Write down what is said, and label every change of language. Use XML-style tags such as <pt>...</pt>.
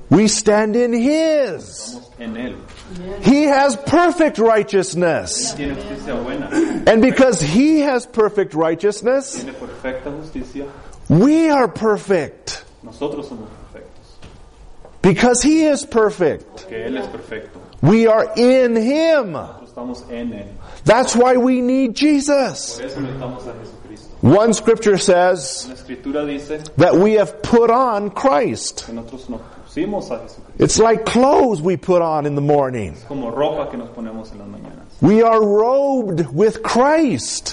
<en>We stand in His.</en> <es>En él.</es> <en>He has perfect righteousness. Amen. And because He has perfect righteousness,</en> <es>tiene perfecta justicia,</es> <en>we are perfect.</en> <es>Nosotros somos perfectos.</es> <en>Because He is perfect.</en> <es>Porque él es perfecto.</es> <en>We are in Him.</en> <es>Nosotros estamos en él.</es> <en>That's why we need Jesus.</en> <es>Por eso necesitamos a Jesucristo.</es> <en>One scripture says</en> <es>dice</es> <en>that we have put on Christ.</en> <es>Que nosotros nos pusimos a Jesucristo.</es> <en>It's like clothes we put on in the morning.</en> <es>Es como ropa que nos ponemos en las mañanas.</es> <en>We are robed with Christ.</en>